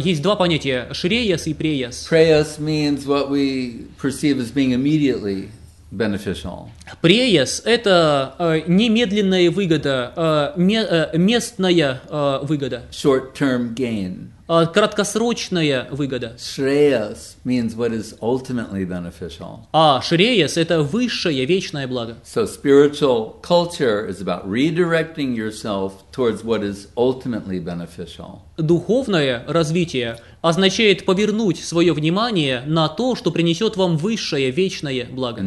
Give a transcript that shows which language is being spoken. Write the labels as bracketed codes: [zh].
[ru] Есть два понятия – шреяс и преяс. [en] Prayas means what we perceive as being immediately beneficial. [ru] Преяс – это немедленная выгода, местная выгода. [en] Short-term gain. [ru] Краткосрочная выгода. [en] Shreyas means what is ultimately beneficial. [ru] А шреяс – это высшее, вечное благо. [en] So spiritual culture is about redirecting yourself towards what is ultimately beneficial. [ru] Духовное развитие означает повернуть свое внимание на то, что принесет вам высшее, вечное благо.